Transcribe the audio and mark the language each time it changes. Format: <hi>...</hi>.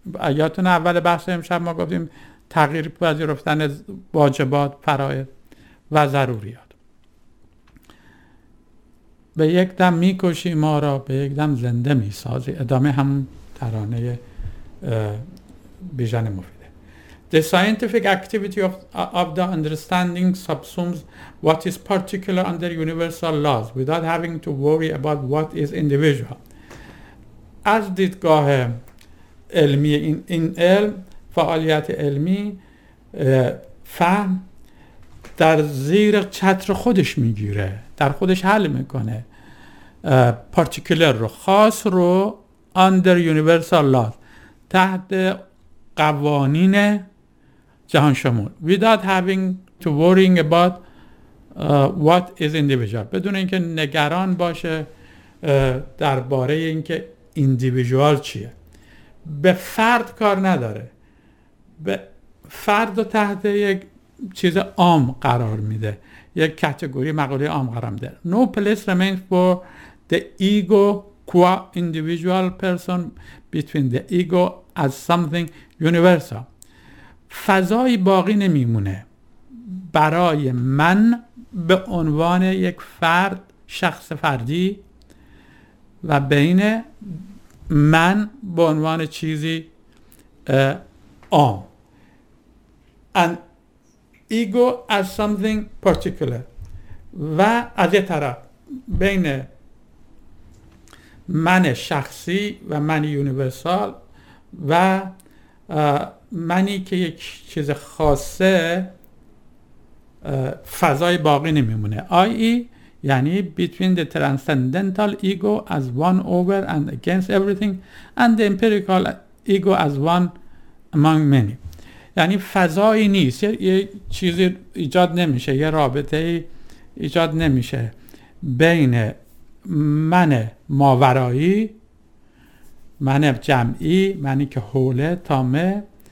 <fa>یادتون اول بحث امشب ما گفتیم تغییر پذیرفتن واجبات، فرایض، و ضروریات. به یک دم میکشی ما را، به یک دم زنده میسازی. ادامه هم ترانه بیژن مفیده.</fa> <en>The scientific activity of the understanding subsumes what is particular under universal laws without having to worry about what is individual.</en> <fa>از دیدگاه علمی این علم، فعالیت علمی، فهم در زیر چتر خودش میگیره، در خودش حل میکنه پارتیکولر رو، خاص رو،</fa> <en>under universal laws،</en> <fa>تحت قوانین جهان شمول،</fa> <en>without having to worrying about what is individual،</en> <fa>بدون اینکه نگران باشه درباره اینکه individual چیه. به فرد کار نداره، به فرد رو تحت یک چیز عام قرار میده، یک کاتگوری مقاله عام قرار میده.</fa> <en>No place remains for the ego qua individual person between the ego as something universal.</en> <fa>فضایی باقی نمیمونه برای من به عنوان یک فرد، شخص فردی، و بین من به عنوان چیزی عام.</fa> <en>An ego as something particular.</en> <fa>و از یه طرف بین من شخصی و من یونیورسال و منی که یک چیز خاصه، فضای باقی نمیمونه.</fa> <en>IE یعنی between the transcendental ego as one over and against everything and the empirical ego as one among many.</en> <fa>یعنی فضایی نیست، یه چیزی ایجاد نمیشه، یه رابطه ایجاد نمیشه بین من ماورایی، من جمعی، منی که حوله، تامه،</fa>